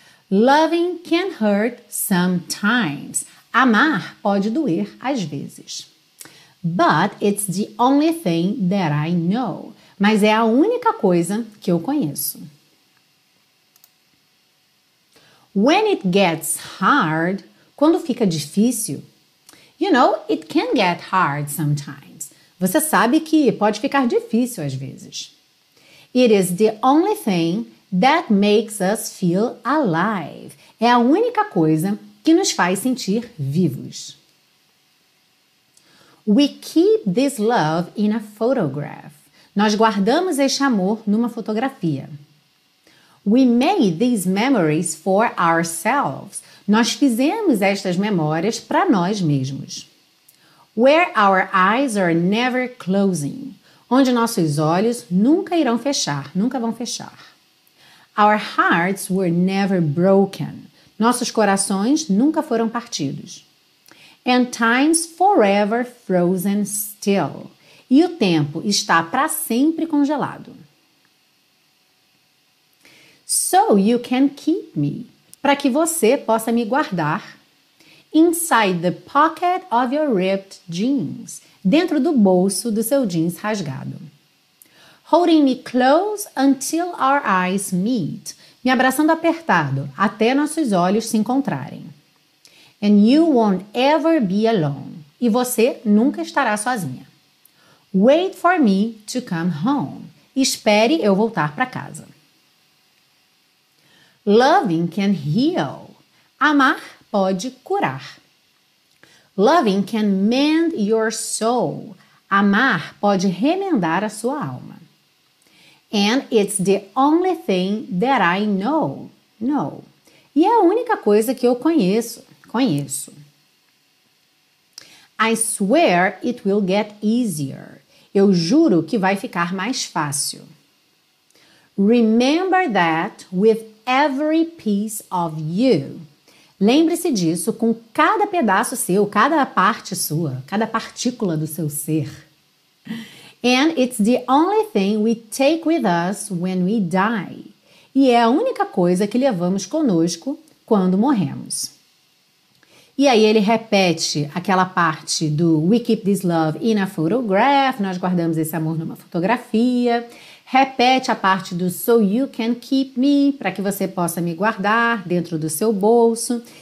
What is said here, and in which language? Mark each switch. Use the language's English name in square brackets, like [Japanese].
[English] Loving can hurt sometimes. [Portuguese] Amar pode doer às vezes. [English] But it's the only thing that I know. [Portuguese] Mas é a única coisa que eu conheço. [English] When it gets hard, [Portuguese] quando fica difícil, [English] you know, it can get hard sometimes. [Portuguese] Você sabe que pode ficar difícil às vezes. [English] It is the only thing that makes us feel alive. [Portuguese] É a única coisa que nos faz sentir vivos. [English] We keep this love in a photograph. [Portuguese] Nós guardamos este amor numa fotografia. [English] We made these memories for ourselves. [Portuguese] Nós fizemos estas memórias para nós mesmos. [English] Where our eyes are never closing. [Portuguese] Onde nossos olhos nunca irão fechar, nunca vão fechar. [English] Our hearts were never broken. [Portuguese] Nossos corações nunca foram partidos. [English] And time's forever frozen still. [Portuguese] E o tempo está para sempre congelado. [English] So you can keep me, [Portuguese] para que você possa me guardar, [English] inside the pocket of your ripped jeans, [Portuguese] dentro do bolso do seu jeans rasgado. [English] Holding me close until our eyes meet, [Portuguese] me abraçando apertado, até nossos olhos se encontrarem. [English] And you won't ever be alone, [Portuguese] e você nunca estará sozinha. [English] Wait for me to come home, [Portuguese] espere eu voltar para casa. [English] Loving can heal. [Portuguese] Amar pode curar. [English] Loving can mend your soul. [Portuguese] Amar pode remendar a sua alma. [English] And it's the only thing that I know. No. [Portuguese] E é a única coisa que eu conheço. Conheço. [English] I swear it will get easier. [Portuguese] Eu juro que vai ficar mais fácil. [English] Remember that with every piece of you. [Portuguese] Lembre-se disso com cada pedaço seu, cada parte sua, cada partícula do seu ser. [English] And it's the only thing we take with us when we die. [Portuguese] E é a única coisa que levamos conosco quando morremos. E aí ele repete aquela parte do [English] we keep this love in a photograph, [Portuguese] nós guardamos esse amor numa fotografia. Repete a parte do [English] so you can keep me, [Portuguese] para que você possa me guardar dentro do seu bolso.